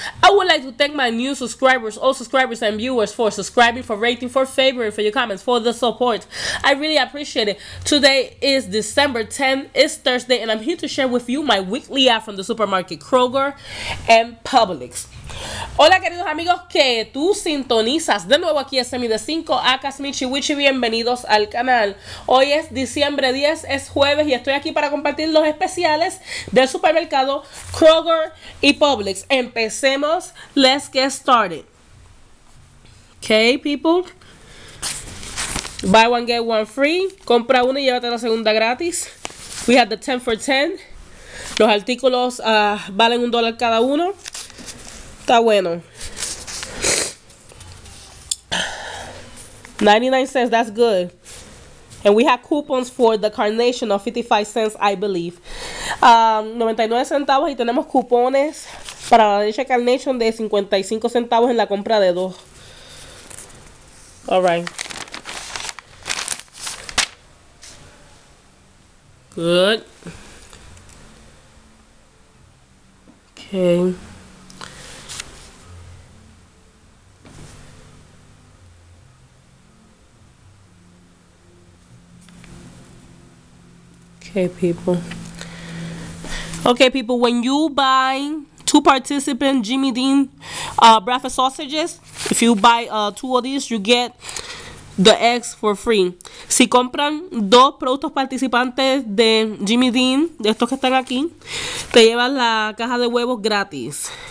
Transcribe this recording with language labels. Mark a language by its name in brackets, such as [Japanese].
[English] I would like to thank my new subscribers, all subscribers and viewers for subscribing, for rating, for favoring, for your comments, for the support. I really appreciate it. Today is December 10th, it's Thursday, and I'm here to share with you my weekly app from the supermarket Kroger and Publix. [Spanish] Hola queridos amigos que tú sintonizas. De nuevo aquí es Semi de 5, Akas Michi Wichi, bienvenidos al canal. Hoy es diciembre 10, es jueves y estoy aquí para compartir los especiales del supermercado Kroger y Publix. Empecemos, [English] let's get started. Okay, people. Buy one, get one free. [Spanish] Compra una y llévate la segunda gratis. [English] We have the 10 for 10. [Spanish] Los artículos valen un dólar cada uno. Está bueno. [English] 99 cents, that's good. And we have coupons for the carnation of 55 cents, I believe. [Spanish] 99 centavos y tenemos cupones para la leche carnation de 55 centavos en la compra de dos. [English] All right. Good. Okay. Okay, people, when you buy two participant Jimmy Dean breakfast sausages, if you buy two of these, you get the eggs for free. [Spanish] Si compran dos productos participantes de Jimmy Dean, de estos que están aquí, te llevan la caja de huevos gratis.